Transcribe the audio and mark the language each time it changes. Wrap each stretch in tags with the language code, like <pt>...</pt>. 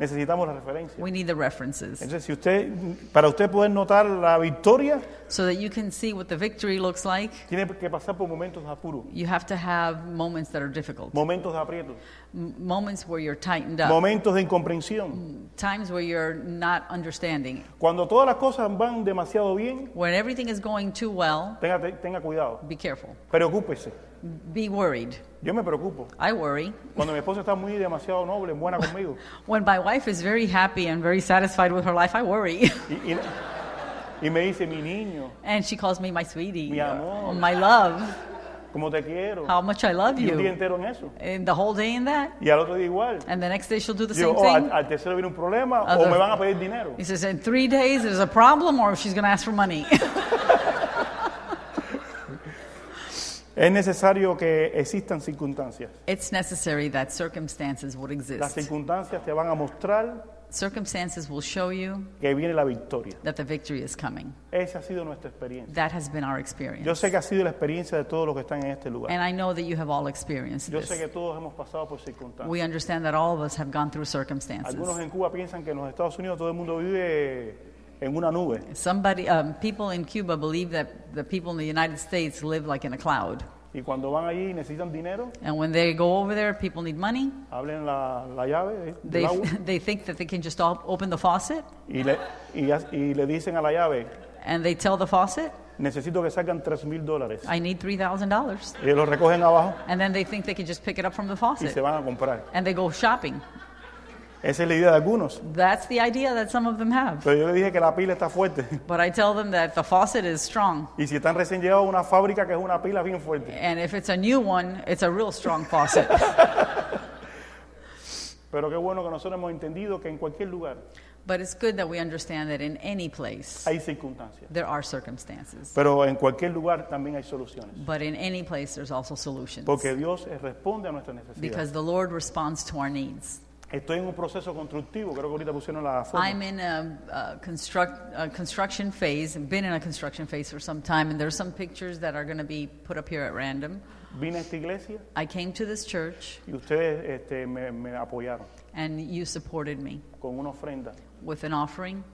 <es>Necesitamos las referencias.</es> <en>We need the references.</en> <es>Entonces, si usted para usted poder notar la victoria.</es> <en>So that you can see what the victory looks like.</en> <es>Tiene que pasar por momentos de apuro.</es> <en>You have to have moments that are difficult.</en> <es>Momentos de aprietos.</es> <en>Moments where you're tightened up.</en> <es>Momentos de incomprensión.</es> <en>Times where you're not understanding.</en> <es>Cuando todas las cosas van demasiado bien.</es> <en>When everything is going too well.</en> <es>Tenga cuidado.</es> <en>Be careful.</en> <es>Preocúpese.</es> <en>Be worried.</en> <es>Yo me preocupo.</es> <en>I worry.</en> <es>Cuando mi esposa está muy demasiado noble, buena conmigo.</es> <en>When my wife is very happy and very satisfied with her life, I worry.</en> <es>Y me dice, mi niño.</es> <en>And she calls me my sweetie.</en> <es>Mi amor.</es> <en>My love.</en> <es>Como te quiero.</es> <en>How much I love you.</en> <es>Y un día entero en eso.</es> <en>And the whole day in that.</en> <es>Y al otro día igual.</es> <en>And the next day she'll do the</en> <es>digo,</es> <en>same oh, thing.</en> <es>Al tercero viene un problema, other, o me van a pedir dinero.</es> <en>He says, in 3 days there's a problem or she's going to ask for money.</en> <es>Es necesario que existan circunstancias.</es> <en>It's necessary that circumstances would exist.</en> <es>Las circunstancias te van a mostrar.</es> <en>Circumstances will show you</en> <es>que viene la victoria.</es> <en>That the victory is coming.</en> <es>Esa ha sido nuestra experiencia.</es> <en>That has been our experience.</en> <es>Yo sé que ha sido la experiencia de todos los que están en este lugar.</es> <en>And I know that you have all experienced</en> <es>yo</es> <en>this.</en> <es>Yo sé que todos hemos pasado por circunstancias.</es> <en>We understand that all of us have gone through circumstances.</en> <es>Algunos en Cuba piensan que en los Estados Unidos todo el mundo vive en una nube.</es> <en>Somebody, people in Cuba believe that the people in the United States live like in a cloud.</en> <es>Y cuando van allí necesitan dinero.</es> <en>And when they go over there, people need money.</en> <es>Hablen la llave del</es> <en>they,</en> <es>agua.</es> <en>They think that they can just all open the faucet.</en> <es>Y le dicen a la llave.</es> <en>And they tell the faucet.</en> <es>Necesito que salgan $3,000.</es> <en>I need $3,000.</en> <es>Y lo recogen abajo.</es> <en>And then they think they can just pick it up from the faucet.</en> <es>Y se van a comprar.</es> <en>And they go shopping.</en> <es>Esa es la idea de algunos.</es> <en>That's the idea that some of them have.</en> <es>Pero yo les dije que la pila está fuerte.</es> <en>But I tell them that the faucet is strong.</en> <es>Y si están recién llegados a una fábrica que es una pila bien fuerte.</es> <en>And if it's a new one, it's a real strong faucet.</en> <es>Pero qué bueno que nosotros hemos entendido que en cualquier lugar.</es> <en>But it's good that we understand that in any place.</en> <es>Hay circunstancias.</es> <en>There are circumstances.</en> <es>Pero en cualquier lugar también hay soluciones.</es> <en>But in any place there's also solutions.</en> <es>Porque Dios responde a nuestras necesidades.</es> <en>Because the Lord responds to our needs.</en> <es>Estoy en un proceso constructivo. Creo que ahorita pusieron la forma.</es> <en>I'm in a construction phase. I've been in a construction phase for some time, and there are some pictures that are going to be put up here at random.</en> <es>Vine a esta iglesia.</es> <en>I came to this church.</en> <es>Y ustedes me apoyaron.</es> <en>And you supported me.</en> <es>Con una ofrenda.</es> <en>With an offering.</en>